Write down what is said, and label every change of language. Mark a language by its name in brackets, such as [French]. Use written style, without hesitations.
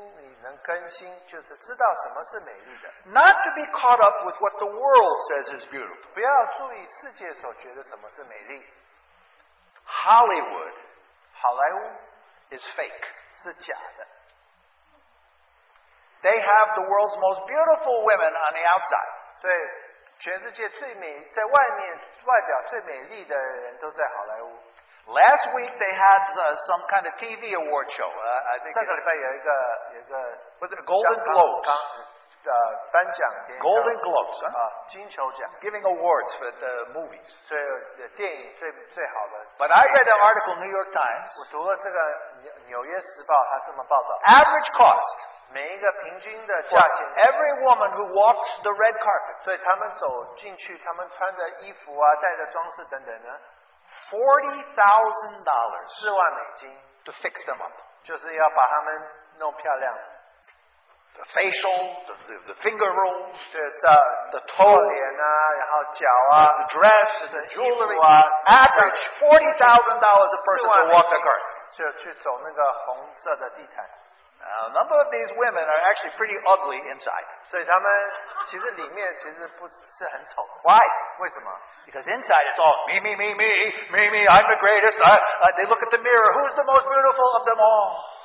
[Chinese] 所以我们的主他要我们心里能更新，就是知道什么是美丽的。 [English] Not to be caught up with what the world says is beautiful. [Chinese] 不要注意世界所觉得什么是美丽。 [English] Hollywood, [Chinese] 好莱坞, [English] is fake. [Chinese] 是假的. [English] They have the world's most beautiful women on the outside. [Chinese] 所以全世界最美, 在外面, 外表最美丽的人都在好莱坞. [English] Last week they had some kind of TV award show. I think [Chinese] 上个礼拜有一个, 有一个, [English] was it a Golden Globes? [Chinese] 刚, 颁奖, [English] Golden Globes, [Chinese] 金球奖, [English] giving awards for the movies. [Chinese] 最电影最好的, [English] but I read an article in New York Times. [Chinese] 我读了这个纽约时报, 它这么报道, [English] average cost, [Chinese] 每一个平均的价钱, [English] for every woman who walks the red carpet, [Chinese] 所以他们走进去, 他们穿着衣服啊, 带着装饰等等呢, [English] $40,000, [Chinese] 4万美金, [English] to fix them up, [Chinese] 就是要把他们弄漂亮。 [English] The facial, the finger rolls, [Chinese] 是这, [English] the toe, [Chinese] 脸啊, 然后脚啊, [English] the dress, the jewelry, average $40,000 a person to walk the curtain. Now, a number of these women are actually pretty ugly inside. [Chinese] 所以他们其实里面其实不是很丑。 [English] Why? [Chinese] 为什么? [English] Because inside it's all me, me, me, me, me, me, I'm the greatest. They look at the mirror, who's the most beautiful of them all?